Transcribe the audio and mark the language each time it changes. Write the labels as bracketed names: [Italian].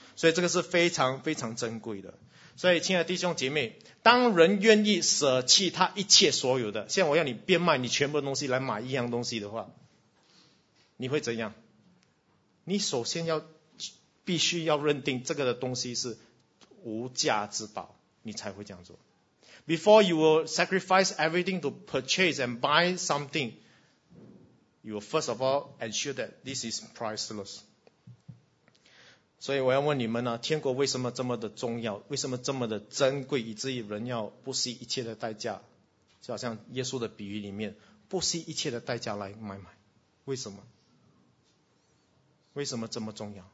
[Chinese] 所以这个是非常非常珍贵的。所以亲爱的弟兄姐妹，当人愿意舍弃他一切所有的，像我要你变卖你全部的东西来买一样东西的话，你会怎样？你首先要必须要认定这个的东西是无价之宝，你才会这样做。 [English] Before you will sacrifice everything to purchase and buy something, you will first of all ensure that this is priceless. [Chinese] 所以我要问你们呢、啊，天国为什么这么的重要？为什么这么的珍贵，以至于人要不惜一切的代价？就好像耶稣的比喻里面，不惜一切的代价来买卖，为什么？为什么这么重要？